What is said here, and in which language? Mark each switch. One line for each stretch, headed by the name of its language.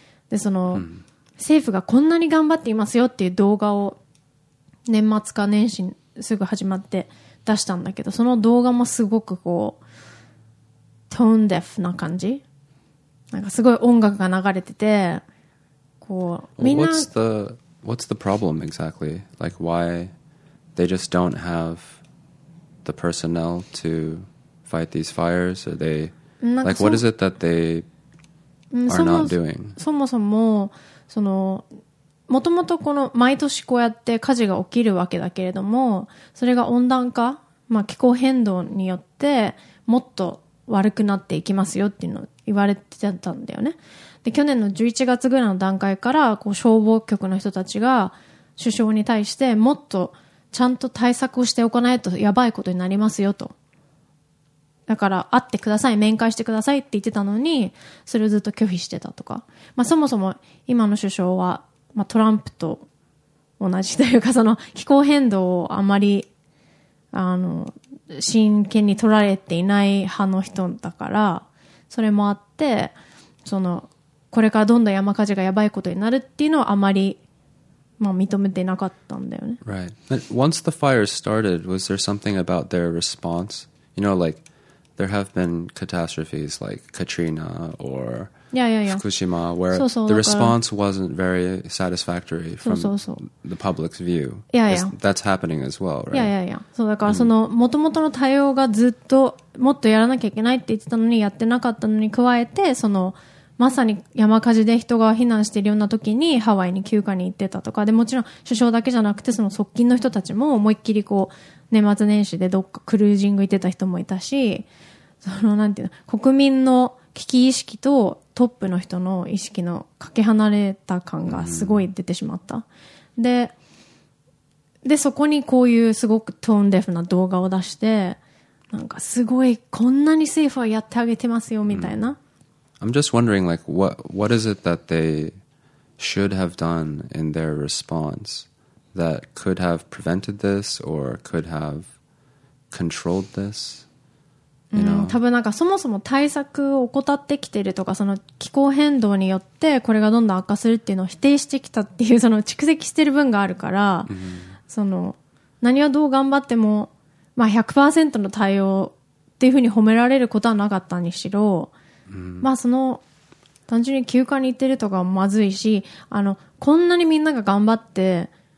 Japanese: でその政府がこんなに頑張っていますよっていう動画を年末か年始すぐ始まって出したんだけど、その動画もすごくこうトーンデフな感じ、なんかすごい音楽が流れてて、こうみんな
English: What's the problem exactly? Like why they just don't have the personnel to fight these fires? Are they like what is it that they are not doing?
Japanese: そもそもそのもともとこの毎年こうやって火事が起きるわけだけれども、それが温暖化、まあ気候変動によってもっと悪くなっていきますよっていうのを言われてたんだよね。で、去年の11月ぐらいの段階からこう消防局の人たちが首相に対してもっとちゃんと対策をしておかないとやばいことになりますよと、だから会ってください、面会してくださいって言ってたのに、それをずっと拒否してたとか、まあそもそも今の首相は、まあ、トランプと同じというか、その気候変動をあまり真剣に取られていない派の人だから、それもあってそのこれからどんどん山火事がやばいことになるっていうのはあまり、まあ、認めてなかったんだよね。
English: Right. But once the fire started, was there something about their response? You know, like there have been catastrophes like Katrina or Fukushima where the response wasn't very satisfactory from the public's view. That's happening as well, right?
Japanese: そうだからその元々の対応がずっともっとやらなきゃいけないって言ってたのにやってなかったのに加えて、そのまさに山火事で人が避難しているような時にハワイに休暇に行ってたとかで、もちろん首相だけじゃなくてその側近の人たちも思いっきりこう年末年始でどっかクルージング行ってた人もいたし、そのなんていうの、国民の危機意識とトップの人の意識のかけ離れた感がすごい出てしまった、でそこにこういうすごくトーンデフな動画を出して、なんかすごいこんなに政府はやってあげてますよみたいな。
English: I'm just wondering, like, what is it that they should have done in their response that could have prevented this or could have controlled this? You know?
Japanese: 多分なんかそもそも対策を怠ってきてるとか、その気候変動によってこれがどんどん悪化するっていうのを否定してきたっていう、その蓄積してる分があるから、その何をどう頑張っても、まあ 100% の対応っていうふうに褒められることはなかったにしろ、まあその単純に休暇に行ってるとかもまずいし、あのこんなにみんなが頑張って